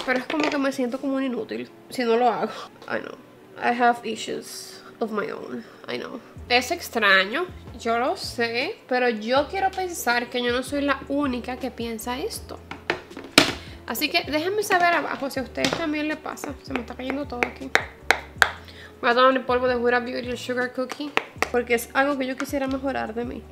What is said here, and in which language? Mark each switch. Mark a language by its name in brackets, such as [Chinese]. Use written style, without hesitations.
[Spanish] Pero es como que me siento como un inútil si no lo hago. [English] I know, I have issues of my own, I know. [Spanish] Es extraño, yo lo sé, pero yo quiero pensar que yo no soy la única que piensa esto. Así que déjenme saber abajo si a ustedes también le pasa. Se me está cayendo todo aquí. Voy a tomar el polvo de Huda Beauty Sugar Cookie, porque es algo que yo quisiera mejorar de mí.